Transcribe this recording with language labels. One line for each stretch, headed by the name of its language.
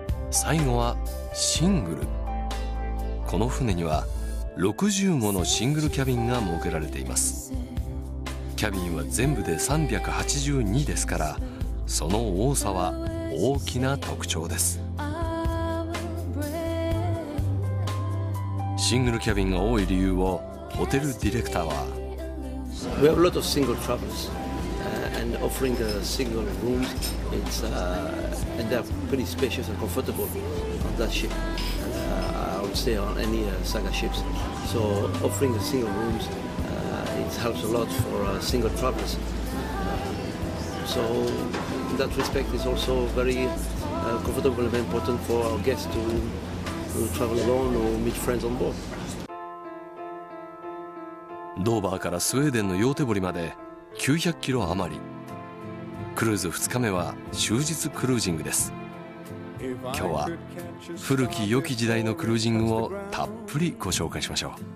Japanese: 最後はシングル。この船には60ものシングルキャビンが設けられています。キャビンは全部で382ですから、その多さは大きな特徴です。シングルキャビンが多い理由をホテルディレクターは、
English: We have a lot of single travelers and offering a single room. It's and they're pretty spacious and comfortable on that ship. I would say on any saga ships. So offering a single room. It helps a lot for single travelers. So in that respect, it's also very comfortable and important for our guests to travel alone or meet friends on board.
Japanese: ドーバーからスウェーデンのヨーテボリまで900キロ余り。クルーズ2日目は終日クルージングです。今日は古き良き時代のクルージングをたっぷりご紹介しましょう。